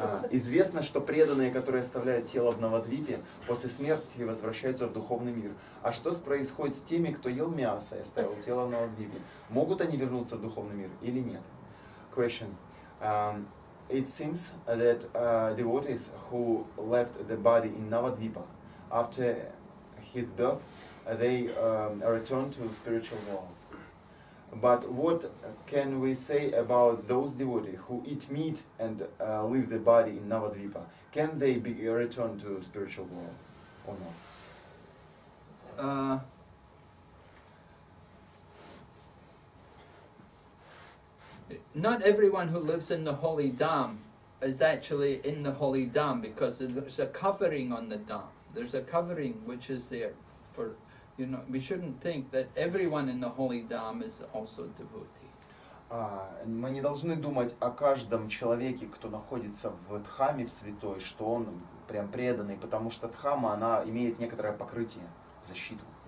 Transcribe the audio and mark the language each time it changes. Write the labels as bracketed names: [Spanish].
[Russian] Известно, что преданные, которые оставляют тело в Навадвипе, после смерти возвращаются в духовный мир. А что происходит с теми, кто ел мясо и оставил тело в Навадвипе? Могут они вернуться в духовный мир или нет? [English] Question. It seems that devotees who left the body in Navadvipa after his birth, they return to spiritual world. But what can we say about those devotees who eat meat and leave the body in Navadvipa? Can they be returned to spiritual world or not? Not everyone who lives in the holy dham is actually in the holy dham because there's a covering on the dham. There's a covering which is there for. You know, we shouldn't think that everyone in the holy dham is also a devotee. [Russian] Мы не должны думать о каждом человеке, кто находится в дхаме, в святой, что он прям преданный, потому что дхама она имеет некоторое покрытие, защиту.